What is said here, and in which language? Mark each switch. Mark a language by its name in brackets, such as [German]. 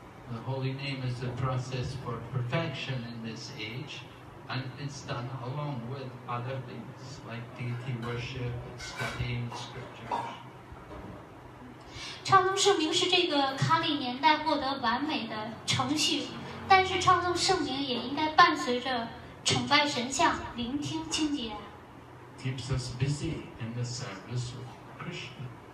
[English] The holy name is a process for perfection in this age, and it's done along with other things like deity worship, studying scripture. [Chinese] 唱诵圣名是这个卡里年代获得完美的程序，但是唱诵圣名也应该伴随着崇拜神像，聆听经典。 [English] Keeps us busy in the service of Krishna.